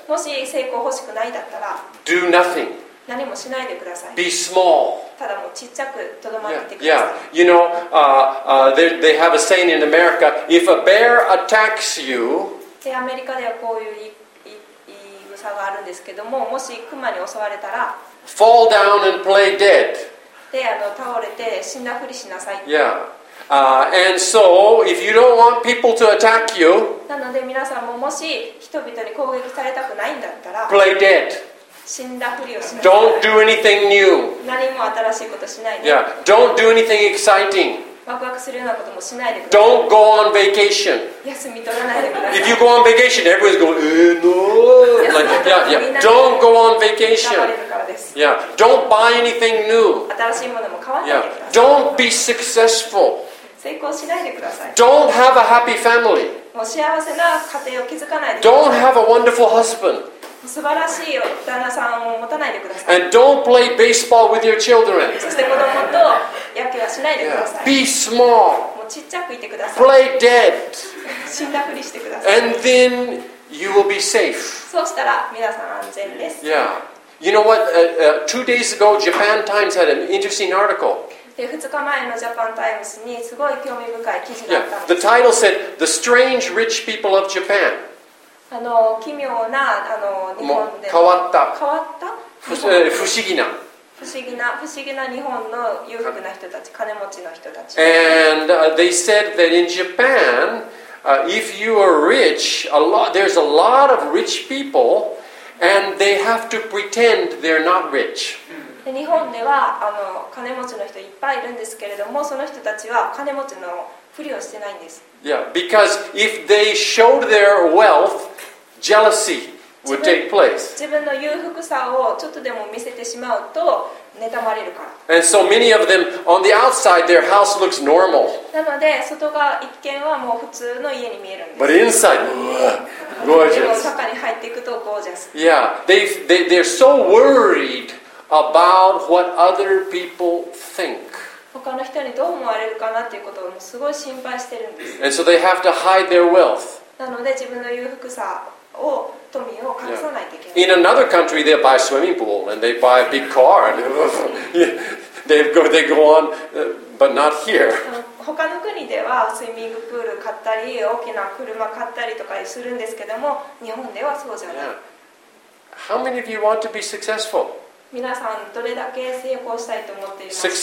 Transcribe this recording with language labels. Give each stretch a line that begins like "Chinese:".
Japanese: もし成功欲しくないだったら、
English: do nothing.
Japanese: 何もしないでください。
English: Be small.
Japanese: ただもうちっちゃくとどまってください。 Yeah, yeah.
English: You know, they have a saying in America, if a bear attacks you,
Japanese: で、アメリカではこういう言い草があるんですけども、もし熊に襲われたら、
English: fall down and play dead.
Japanese: で、倒れて死んだふりしなさい。 Yeah.
English: And so, if you don't want people to attack you,
Japanese: なので皆さんももし人々に攻撃されたくないんだったら、
English: play dead.
Japanese: 死んだふりをしなさい。
English: Don't do anything new.
Japanese: 何も新しいことしないで。 Yeah.
English: Don't do anything exciting.
Japanese: ワクワクするようなこともしないでください。
English: Don't go on vacation.
Japanese: 休み取らないでください。
English: If you go on vacation, everyone's going, no. Like, yeah. Don't go on vacation. Yeah. Don't buy anything new.
Japanese: 新しいものも買わないでください。
English: Yeah. Don't be successful.
Japanese: 成功しないでください。
English: Don't have a happy family.
Japanese: もう幸せな家庭を築かないでください。
English: Don't have a wonderful husband.
Japanese: 素晴らしい旦那さんを持たないでください。
English: And don't play baseball with your children.
Japanese: そして子供と。野球はしないでください。
English: Yeah. Be small.
Japanese: もうちっちゃくいてください。
English: Play dead.
Japanese: 死んだふりしてください。
English: And then you will be safe.
Japanese: そうしたら皆さん安全です。
English: Yeah. You know what? Two days ago, Japan Times had an interesting article.
Japanese: で、2日前のジャパンタイムズにすごい興味深い記事があったんです。 Yeah.
English: The title said, "The Strange Rich People of Japan."
Japanese: 奇妙な日本で。変わった。変わった？不思議な。不思議な日本の裕福な人たち、金持ちの人たち。
English: And they said that in Japan, if you are rich, there's a lot of rich people, and they have to pretend they're not rich.
Japanese: 日本では金持ちの人いっぱいいるんですけれども、その人たちは金持ちのふりをしてないんです。
English: Yeah, because if they showed their wealth, jealousy. Would take place.
Japanese: 自分の裕福さをちょっとでも見せてしまうと妬まれるから。
English: And so many of them, on the outside, their house looks normal.
Japanese: なので外が一見はもう普通の家に見えるんです。
English: But inside, gorgeous.
Japanese: 中に入っていくとゴージャス。
English: Yeah, they're so worried about what other people think.
Japanese: 他の人にどう思われるかなっていうことをすごい心配してるんです。
English: And so they have to hide their wealth.
Japanese: なので自分の裕福さを Yeah.
English: In another country, they buy a swimming pool and they buy a big car. And they go on, but not here.
Japanese: 他の国ではスイミングプール買ったり大きな車買ったりとかするんですけども、日本ではそうじゃない。 Yeah.
English: How many of you want to be successful?
Japanese: 皆さんどれだけ成功したいと思っていますか?